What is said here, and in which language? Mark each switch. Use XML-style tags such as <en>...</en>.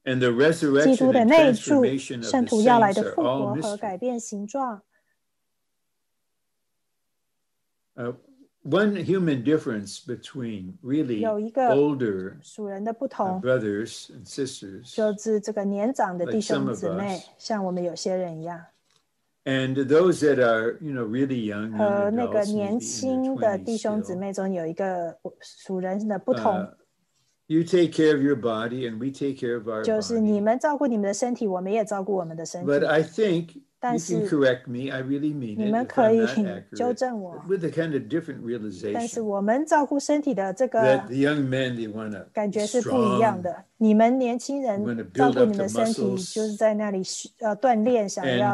<en>and the resurrection and transformation of the saints</en> <zh>要来的复活和改变形状,</zh> <en>are all mysteries. One human difference between really older brothers and sisters,</en> <zh>就是这个年长的弟兄姊妹,</zh> <en>like some of us,</en> <zh>像我们有些人一样。</zh> <en>And those that are, you know, really young, and adults,</en> <zh>和那个年轻的弟兄姊妹中有一个属人的不同。</zh> <en>You take care of your body, and we take care of our body.</en> <zh>就是你们照顾你们的身体，我们也照顾我们的身体。</zh> <en>But I think you can correct me. I really mean it.</en> <zh>你们可以纠正我。</zh> <en>With a kind of different realization.</en> <zh>但是我们照顾身体的这个</zh> <en>that the young men they want to</en> <zh>感觉是不一样的。你们年轻人照顾你们身体，就是在那里锻炼，想要</zh>